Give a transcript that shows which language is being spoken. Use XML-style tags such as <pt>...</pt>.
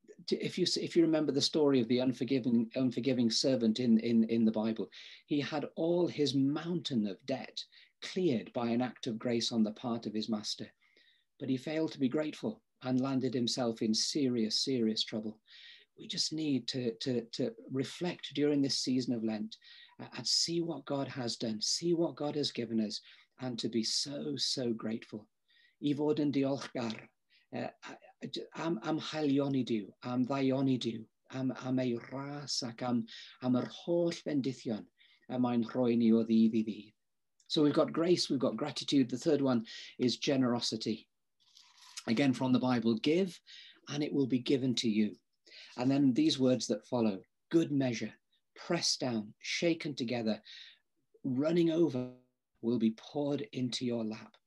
<en>If you remember the story of the unforgiving servant in the Bible, he had all his mountain of debt cleared by an act of grace on the part of his master, but he failed to be grateful and landed himself in serious trouble. We just need to reflect during this season of Lent and see what God has done, see what God has given us, and to be so grateful.</en> <cy>I fod yn diolchgar, am haelion i Dyw, am ddaion i Dyw, am ei ras ac am yr holl bendithion y mae'n rhoi ni o ddydd i ddydd.</cy> <en>So we've got grace, we've got gratitude. The third one is generosity. Again, from the Bible, give and it will be given to you. And then these words that follow, good measure, pressed down, shaken together, running over will be poured into your lap.</en>